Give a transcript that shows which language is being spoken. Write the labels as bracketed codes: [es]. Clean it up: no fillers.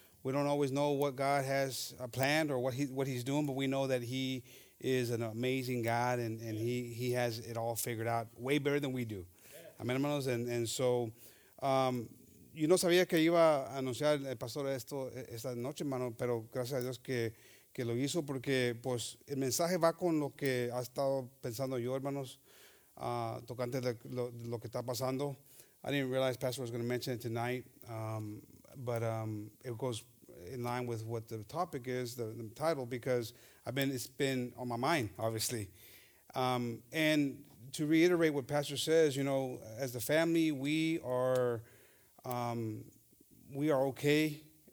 [en] We don't always know what God has planned or what he's doing, but we know that he is an amazing God, and he has it all figured out way better than we do. Yeah. Amen, hermanos. And so, [es] yo no sabía que iba a anunciar el pastor esto esta noche, hermano, pero gracias a Dios que lo hizo, porque pues el mensaje va con lo que ha estado pensando yo, hermanos, tocante de lo que está pasando. [en] I didn't realize Pastor was going to mention it tonight, but it goes in line with what the topic is, the title, because it's been on my mind, obviously. And to reiterate what Pastor says, you know, as the family, we are okay.